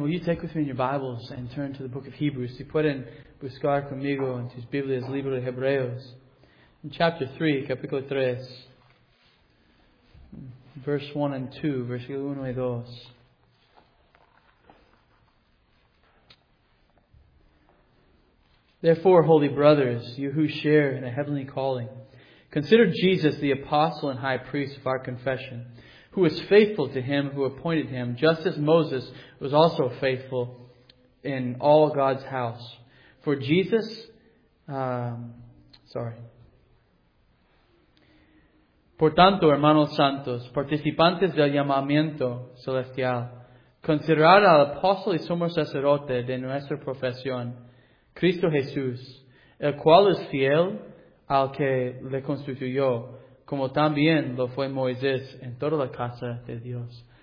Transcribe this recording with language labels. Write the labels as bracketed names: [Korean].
[English] Will you take with me in your Bibles and turn to the book of Hebrews? [Spanish] Si pueden buscar conmigo en tus Biblias, libro de Hebreos. [English] In chapter 3, [Spanish] capítulo 3, [English] verse 1 and 2, Therefore, holy brothers, you who share in a heavenly calling, consider Jesus the apostle and high priest of our confession, who is faithful to him who appointed him, just as Moses was also faithful in all God's house. For Jesus, [Spanish] Por tanto, hermanos santos, participantes del llamamiento celestial, considerad al apóstol y sumo sacerdote de nuestra profesión, Cristo Jesús, el cual es fiel al que le constituyó, como también lo fue Moisés en toda la casa de Dios.